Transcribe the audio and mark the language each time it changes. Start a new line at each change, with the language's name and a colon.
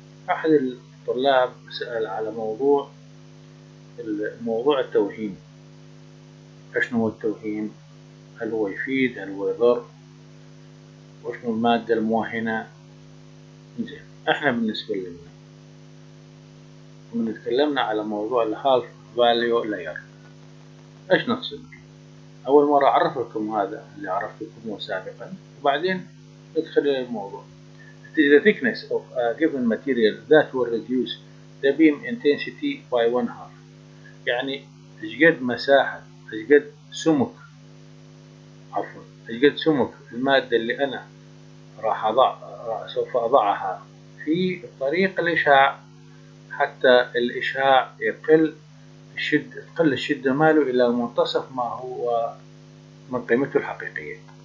Arabic: أحد الطلاب سأل على موضوع التوهين، أشنو هو التوهين؟ هل هو يفيد؟ هل هو يضر؟ وشنو المادة الموهنة؟ إنزين، إحنا بالنسبة لنا من تكلمنا على موضوع الهالف فاليو لاير، إيش نقصد؟ أول مرة أعرف لكم هذا اللي عرفتكم سابقا، وبعدين ندخل إلى الموضوع.
English: The thickness of a given material that will reduce the beam intensity by one half.
Arabic: يعني إيش قد مساحة، إيش قد سمك، عفوا إيش قد سمك المادة اللي أنا راح أضع سوف أضعها في طريق الإشعاع حتى الإشعاع يقل الشدة، تقل الشدة ماله إلى منتصف ما هو من قيمته الحقيقية.